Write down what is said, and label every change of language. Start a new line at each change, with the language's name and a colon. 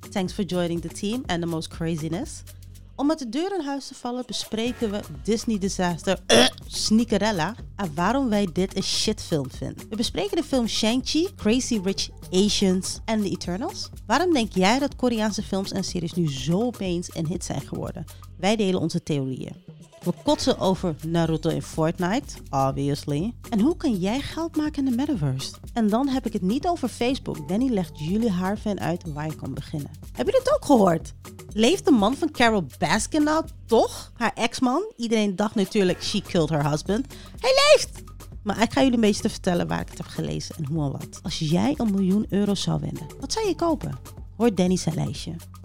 English: Thanks for joining the team and the most craziness.
Dutch: Om met de deur in huis te vallen bespreken we Disney disaster Sneakerella. En waarom wij dit een shitfilm vinden. We bespreken de film Shang-Chi, Crazy Rich Asians en The Eternals. Waarom denk jij dat Koreaanse films en series nu zo opeens een hit zijn geworden? Wij delen onze theorieën. We kotsen over Naruto in Fortnite, obviously. En hoe kan jij geld maken in de metaverse? En dan heb ik het niet over Facebook. Danny legt jullie haar fan uit waar je kan beginnen. Heb je dit ook gehoord? Leeft de man van Carol Baskin nou toch? Haar ex-man? Iedereen dacht natuurlijk,
English: she killed her husband.
Dutch: Hij leeft! Maar ik ga jullie een beetje te vertellen waar ik het heb gelezen en hoe en wat. Als jij een miljoen euro zou winnen, wat zou je kopen? Hoor Danny zijn lijstje.